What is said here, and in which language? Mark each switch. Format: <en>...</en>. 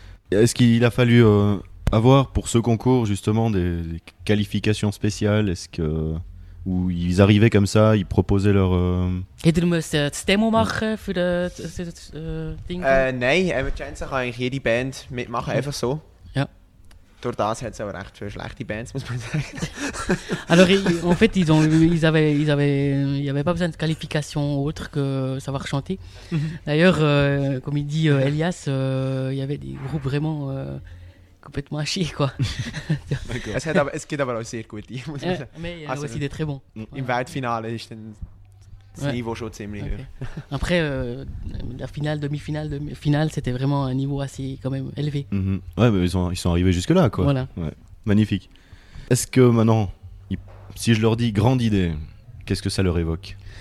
<fr>2011. Est-ce qu'il a fallu avoir pour ce concours justement des qualifications spéciales? Est-ce que où ils arrivaient comme ça, ils proposaient leur.</fr> <de>Hätten wir das Demo machen für das Ding? Nein, Emergenza kann eigentlich jede Band mitmachen, einfach so. Ja. Durch das hat es aber recht für schlechte Bands, muss man sagen.</de> <fr>Alors, en fait, ils avaient pas besoin de qualification autre que savoir chanter. D'ailleurs, comme il dit Elias, il y avait des groupes vraiment complètement à chier, quoi. D'accord.</fr> <de>Es geht aber auch sehr gut, muss man sagen.</de> <fr>Mais il y a aussi des très bons.</fr> <de>Im Weltfinale ist dann das Niveau schon ziemlich höher.</de> <fr>Après, la finale, demi-finale, finale, c'était vraiment un niveau assez quand même élevé. Mm-hmm. Ouais, mais ils sont arrivés jusque-là, quoi. Voilà. Ouais. Magnifique. Est-ce que maintenant, si je leur dis grande idée, qu'est-ce que ça leur évoque?</fr>